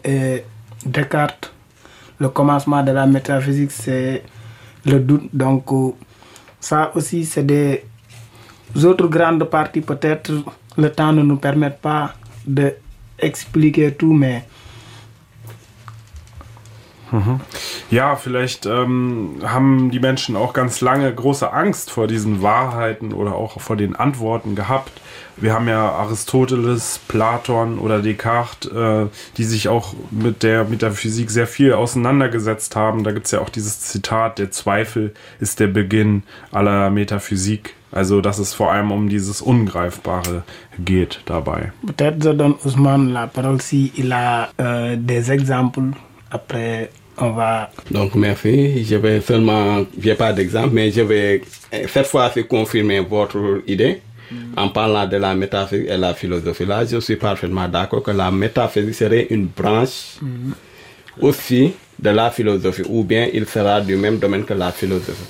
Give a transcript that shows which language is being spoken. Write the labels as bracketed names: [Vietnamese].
[French] Et Descartes, le commencement de la métaphysique, c'est le doute. Donc, ça aussi, c'est des autres grandes parties. Peut-être le temps ne nous permet pas de expliquer tout, mais... [German] Ja, vielleicht haben die Menschen auch ganz lange große Angst vor diesen Wahrheiten oder auch vor den Antworten gehabt. Wir haben ja Aristoteles, Platon oder Descartes, die sich auch mit der Physik sehr viel auseinandergesetzt haben. Da gibt es ja auch dieses Zitat, der Zweifel ist der Beginn aller Metaphysik. Also, dass es vor allem um dieses Ungreifbare geht dabei. [French] Peut-être je donne Ousmane la parole si il a des exemples. Après, on va. Donc, merci. Je vais seulement. J'ai pas d'exemple, mais je vais cette fois-ci confirmer votre idée. En parlant de la métaphysique et la philosophie, là, je suis parfaitement d'accord que la métaphysique serait une branche aussi de la philosophie, ou bien il sera du même domaine que la philosophie.